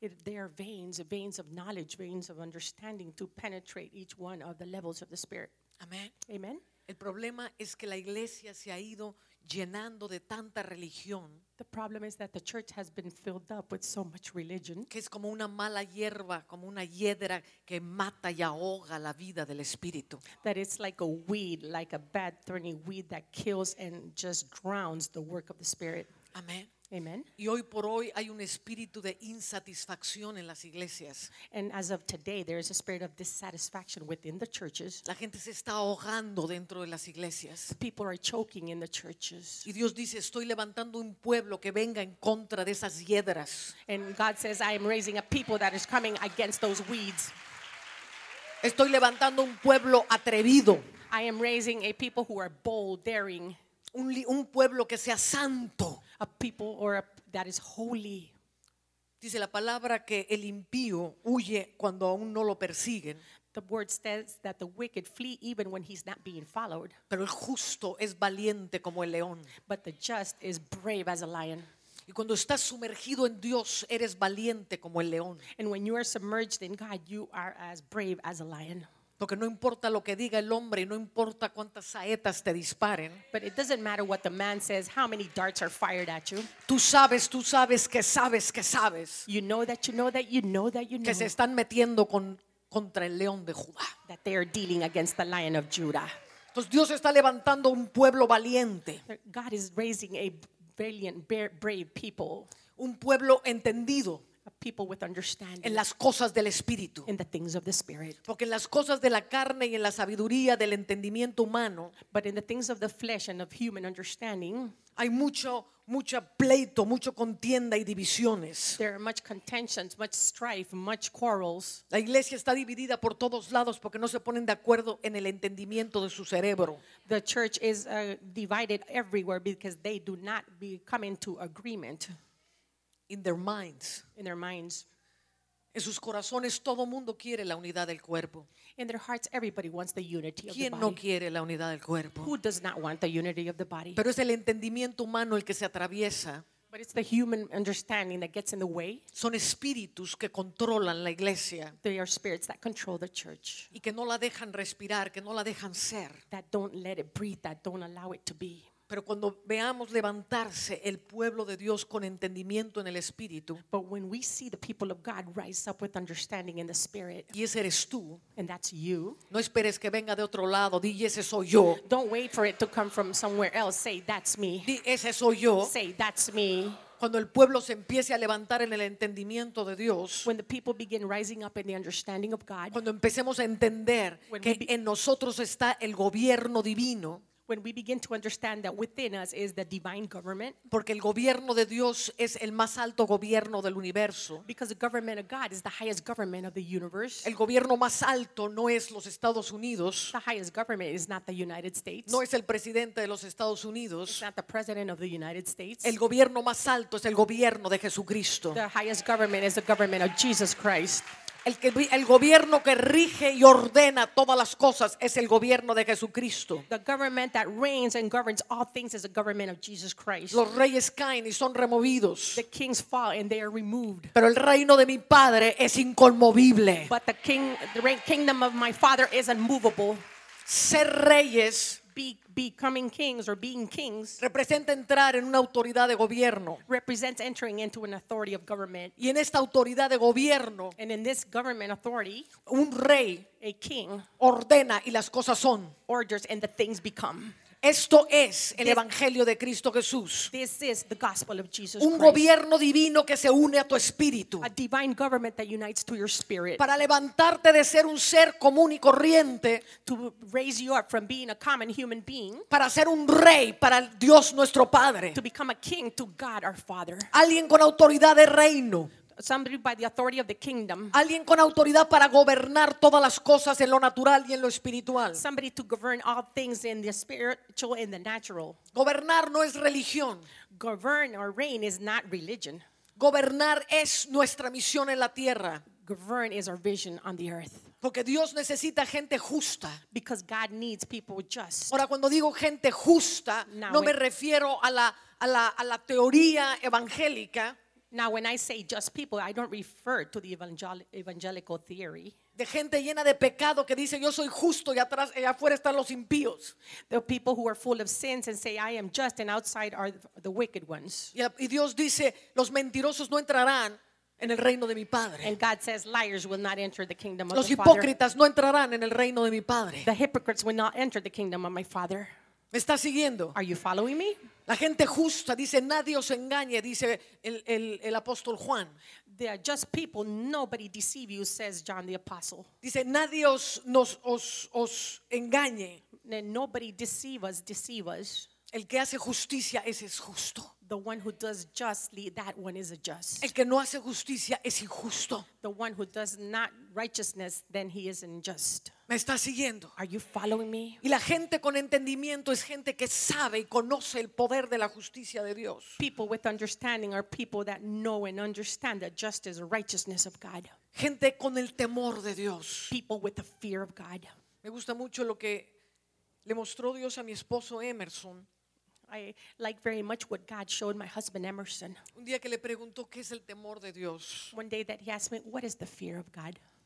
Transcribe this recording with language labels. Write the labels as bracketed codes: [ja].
[en] They are veins of knowledge, veins of understanding to penetrate each one of the levels of the spirit. Amen. Amen. [es] El problema es que la iglesia se ha ido llenando de tanta religión. [en] The problem is that the church has been filled up with so much religion. [es] Que es como una mala hierba, como una hiedra que mata y ahoga la vida del espíritu. [en] That it's like a weed, like a bad thorny weed that kills and just drowns the work of the spirit. Amen. Amen. [es] Y hoy por hoy hay un espíritu de insatisfacción en las iglesias. [en] And as of today, there is a spirit of dissatisfaction within the churches. [es] La gente se está ahogando dentro de las iglesias. [en] People are choking in the churches. [es] Y Dios dice, estoy levantando un pueblo que venga en contra de esas hiedras. [en] And God says, I am raising a people that is coming against those weeds. [es] Estoy levantando un pueblo atrevido. [en] I am raising a people who are bold, daring. [es] Un pueblo que sea santo. [en] A people or a, that is holy. [es] Dice la palabra que el impío huye cuando aún no lo persiguen. [en] The word says that the wicked flee even when he's not being followed. [es] Pero el justo es valiente como el león. [en] But the just is brave as a lion. [es] Y cuando estás sumergido en Dios, eres valiente como el león. [en] And when you are submerged in God, you are as brave as a lion. [es] Porque no importa lo que diga el hombre, no importa cuántas saetas te disparen. [en] But it doesn't matter what the man says, how many darts are fired at you. [es] Tú sabes que sabes. [en] You know that you know that you know that you know. [es] Que se están metiendo contra el león de Judá. [en] That they are dealing against the lion of Judah. [es] Entonces Dios está levantando un pueblo valiente. [en] God is raising a valiant, brave people. [es] Un pueblo entendido. [en] A people with understanding. [es] En las cosas del espíritu. [en] In the things of the spirit. [es] Porque en las cosas de la carne y en la sabiduría del entendimiento humano. [en] But in the things of the flesh and of human understanding. [es] Hay mucho pleito, mucho contienda y divisiones. [en] There are much contentions, much strife, much quarrels. [es] La iglesia está dividida por todos lados porque no se ponen de acuerdo en el entendimiento de su cerebro. [en] The church is divided everywhere because they do not come into agreement. In their minds. [es] En sus corazones todo mundo quiere la unidad del cuerpo. [en] In their hearts everybody wants the unity of the body. [es] ¿Quién no quiere la unidad del cuerpo? [en] Who does not want the unity of the body? [es] Pero es el entendimiento humano el que se atraviesa. [en] But it's the human understanding that gets in the way. [es] Son espíritus que controlan la iglesia. [en] They are spirits that control the church. [es] Y que no la dejan respirar, que no la dejan ser. [en] That don't let it breathe, that don't allow it to be. [es] Pero cuando veamos levantarse el pueblo de Dios con entendimiento en el Espíritu, [en] but when we see the people of God rise up with understanding in the Spirit, [es] y ese eres tú, [en] and that's you, [es] no esperes que venga de otro lado, di ese soy yo. [en] Don't wait for it to come from somewhere else, say that's me. [es] Di ese soy yo. [en] Say that's me. [es] Cuando el pueblo se empiece a levantar en el entendimiento de Dios, [en] when the people begin rising up in the understanding of God, [es] cuando empecemos a entender que en nosotros está el gobierno divino, [en] when we begin to understand that within us is the divine government, [es] porque el gobierno de Dios es el más alto gobierno del universo, [en] because the government of God is the highest government of the universe, [es] el gobierno más alto no es los Estados Unidos, [en] the highest government is not the United States, [es] no es el presidente de los Estados Unidos, [en] it's not the president of the United States, [es] el gobierno más alto es el gobierno de Jesucristo, [en] the highest government is the government of Jesus Christ. [es] El gobierno que rige y ordena todas las cosas es el gobierno de Jesucristo. [en] The government that reigns and governs all things is the government of Jesus Christ. [es] Los reyes caen y son removidos. [en] The kings fall and they are removed. [es] Pero el reino de mi Padre es inconmovible. [en] But the kingdom of my Father is unmovable. [es] Ser reyes, [en] becoming kings or being kings, [es] representa entrar en una autoridad de gobierno, [en] represents entering into an authority of government, [es] y en esta autoridad de gobierno, [en] and in this government authority, [es] un rey, [en] a king, [es] ordena y las cosas son, [en] orders and the things become. [es] Esto es el Evangelio de Cristo Jesús. [en] This is the gospel of Jesus [es] un [en] Christ. [es] Gobierno divino que se une a tu espíritu. [en] A divine government that unites to your spirit. [es] Para levantarte de ser un ser común y corriente. [en] To raise you up from being a common human being. [es] Para ser un rey para Dios nuestro Padre. [en] To become a king to God our Father. [es] Alguien con autoridad de reino. [en] Somebody by the authority of the kingdom. [es] Alguien con autoridad para gobernar todas las cosas en lo natural y en lo espiritual. [en] Somebody to govern all things in the spiritual and the natural. [es] Gobernar no es religión. [en] Govern or reign is not religion. [es] Gobernar es nuestra misión en la tierra. [en] Govern is our vision on the earth. [es] Porque Dios necesita gente justa. [en] Because God needs people just. [es] Ahora cuando digo gente justa, [en] now, [es] no me refiero a la teoría evangélica. [en] Now, when I say just people, I don't refer to the evangelical theory. [es] De gente llena de pecado que dice yo soy justo y atrás y afuera están los impíos. [en] The people who are full of sins and say I am just and outside are the wicked ones. [es] Y Dios dice los mentirosos no entrarán en el reino de mi Padre. [en] And God says liars will not enter the kingdom of [es] los hipócritas [en] the Father. [es] No entrarán en el reino de mi Padre. [en] The hypocrites will not enter the kingdom of my Father. [es] ¿Me está siguiendo? [en] Are you following me? [es] La gente justa dice nadie os engañe, dice el apóstol Juan. [en] They are just people, nobody deceive you, says John the apostle. [es] Dice nadie os engañe. [en] Nobody deceive us. [es] El que hace justicia, ese es justo. [en] The one who does justly, that one is a just. [es] El que no hace justicia es injusto. [en] The one who does not righteousness, then he is unjust. [es] ¿Me está siguiendo? [en] Are you following me? [es] Y la gente con entendimiento es gente que sabe y conoce el poder de la justicia de Dios. [en] People with understanding are people that know and understand that justice or righteousness of God. [es] Gente con el temor de Dios. [en] People with the fear of God. [es] Me gusta mucho lo que le mostró Dios a mi esposo Emerson. [en] I like very much what God showed my husband Emerson. [es] Un día que le preguntó qué es el temor de Dios. [en] One day that he asked me, what is the fear of God?